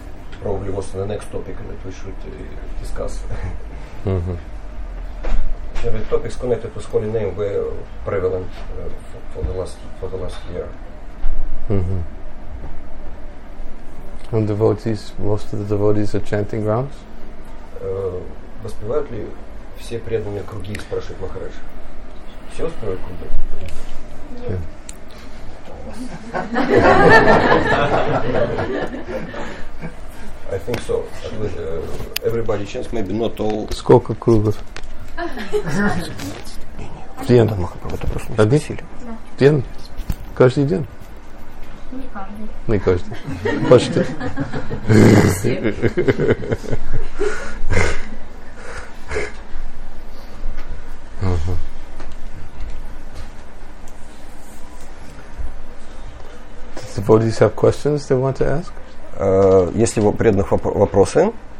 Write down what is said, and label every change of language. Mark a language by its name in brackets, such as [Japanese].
[English] This probably was the next topic that we should discuss. Mm-hmm. Yeah, the topics connected to holy name were prevalent for the last year. Mm-hmm. And devotees, most of the devotees are chanting grounds? [Russian] Воспевают ли все преданные круги, спрашивает Махарадж. Все воспевают круги? [English] Yeah. I think so. Everybody chants, maybe not all. [Russian] Сколько кругов? Один. Один? Один? Каждый день? Не каждый. Не каждый. Почти. [English] Do the devotees have questions they want to ask? [Russian] Есть ли у преданных вопросы?